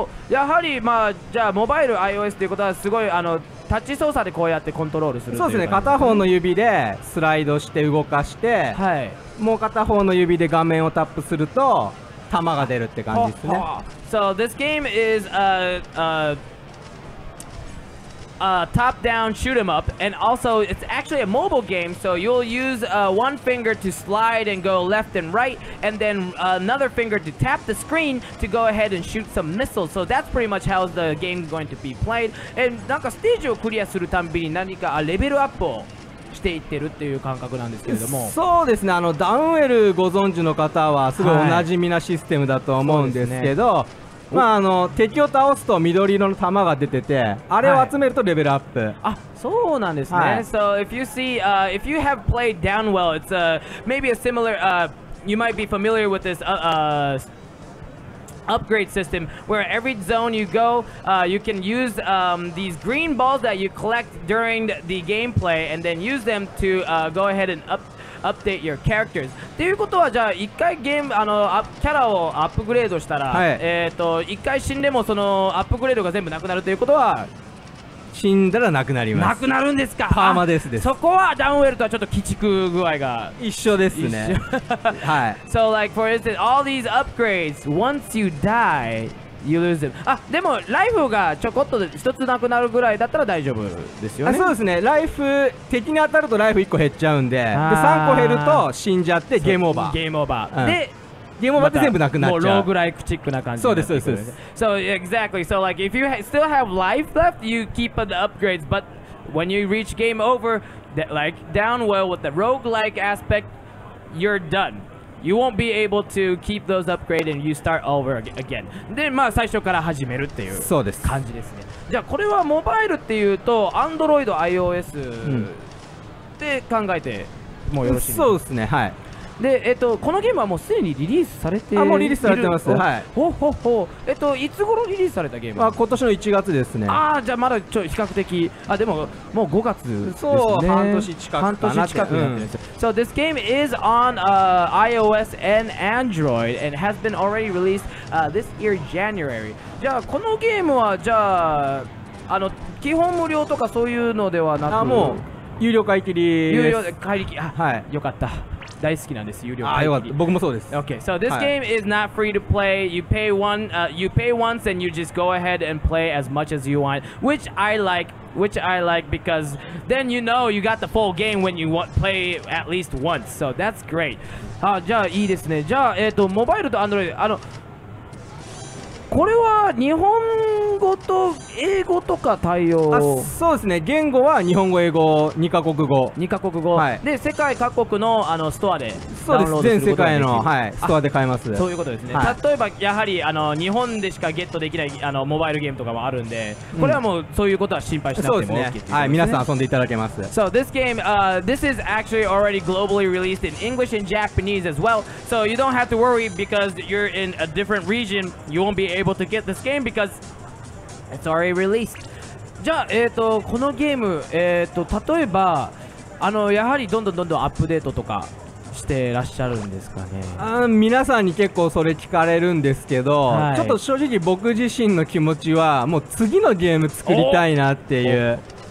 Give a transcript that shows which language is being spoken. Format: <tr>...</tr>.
<ja>やはり、まあ、じゃあ、モバイル、iOS ということは、すごい、タッチ操作でこうやってコントロールするという感じですね。そうですね、片方の指でスライドして動かして、はい、もう片方の指で画面をタップすると、弾が出るって感じですね。</ja> <en>So, this game is a top-down shoot-em-up, and also it's actually a mobile game, so you'll use one finger to slide and go left and right, and then another finger to tap the screen to go ahead and shoot some missiles. So that's pretty much how the game is going to be played. And</en> <ja>なんかステージをクリアするたびに何かレベルアップをしていってるっていう感覚なんですけれども、そうですね、ダウンウェルご存知の方はすごいおなじみなシステムだと思うんですけど、はい、まあ敵を倒すと緑色の弾が出てて、あれを集めるとレベルアップ、はい、あ、そうなんですね、はい、</ja> <en>So if you see, if you have played Downwell, it's maybe a similar, you might be familiar with this upgrade system where every zone you go, you can use these green balls that you collect during the gameplay and then use them to go ahead and update your characters.</en> <ja>っていうことは、じゃあ一回ゲームキャラをアップグレードしたら、はい、一回死んでもそのアップグレードが全部なくなるということは、死んだらなくなります。なくなるんですか。パーマデスです。そこはダウンウェルとはちょっと鬼畜具合が一緒ですね。はい。</ja> <en>So like for instance, all these upgrades, once you die, you lose them.</en> <ja>あ、でもライフがちょこっとで一つなくなるぐらいだったら大丈夫ですよね。あ、そうですね。ライフ、敵に当たるとライフ1個減っちゃうんで、で3個減ると死んじゃってゲームオーバー。ゲームオーバー。うん、で。ゲームまで全部なくなっちゃう。もうローグライクチックな感じ。そうです、そうです、そうです。</ja> <en>So exactly. So like if you still have life left, you keep the upgrades. But when you reach game over, that like downwell with the roguelike aspect, you're done. You won't be able to keep those upgrades and you start over again.</en> <ja>で、まあ最初から始めるっていう。そうです。感じですね。じゃあこれはモバイルっていうと Android、iOS、うん、で考えてもうよろしい。そうですね。はい。で、このゲームはもうすでにリリースされている。あ、もうリリースされてます。はい。ほうほうほう。いつ頃リリースされたゲーム？まあ、今年の1月ですね。ああ、じゃあまだちょ比較的。あ、でももう5月ですね。そう、半年近くかな。半年近くになってるんですよ。うん、</ja> <en>so this game is on iOS and Android and has been already released this year January.</en> <ja>じゃあこのゲームはじゃあ基本無料とかそういうのではなく、あ、もう有料買い切りです。有料買い切り。あ、はい、よかった。大好きなんです、有料会議。あ、よかった。僕もそうです。</ja> <en>Okay, so this game is not free to play. You pay once and you just go ahead and play as much as you want, which I like because then you know you got the full game when you play at least once. So that's great.</en> <ja>あ、じゃあいいですね。じゃあモバイルとアンドロイド、これは日本語と英語とか対応？あ、そうですね、言語は日本語、英語、2カ国語、はい、で世界各国 の, ストアでダウンロードすることができる。そうです、全世界の、はい、ストアで買えます。そういうことですね、はい、例えばやはり日本でしかゲットできないモバイルゲームとかもあるんで、これはもう、うん、そういうことは心配しなくても OK っていうことですね。はい、皆さん遊んでいただけます。</ja> <en>So this game, this is actually already globally released in English and Japanese as well, so you don't have to worry because you're in a different region, you won't beable to get this game because it's already released.</en> <ja>じゃあこのゲーム例えばやはりどんどんアップデートとかしてらっしゃるんですかね。あ、皆さんに結構それ聞かれるんですけど、はい、ちょっと正直僕自身の気持ちはもう次のゲーム作りたいなっていう。</ja>